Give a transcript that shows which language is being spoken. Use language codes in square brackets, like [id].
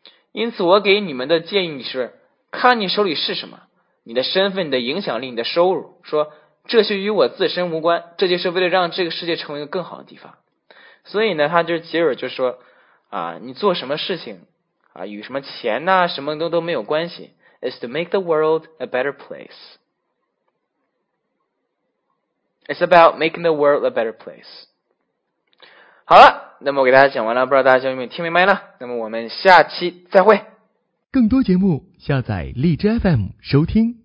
[zh] 因此我给你们的建议是，看你手里是什么，你的身份、你的影响力、你的收入，说这些与我自身无关，这就是为了让这个世界成为一个更好的地方。所以呢，他就结尾就说啊，你做什么事情啊，与什么钱呐、啊、什么都没有关系。 [en] Is to make the world a better place. It's about making the world a better place. [zh] 好了，那么我给大家讲完了，不知道大家有没有听明白呢？那么我们下期再会。更多节目下载荔枝 FM 收听。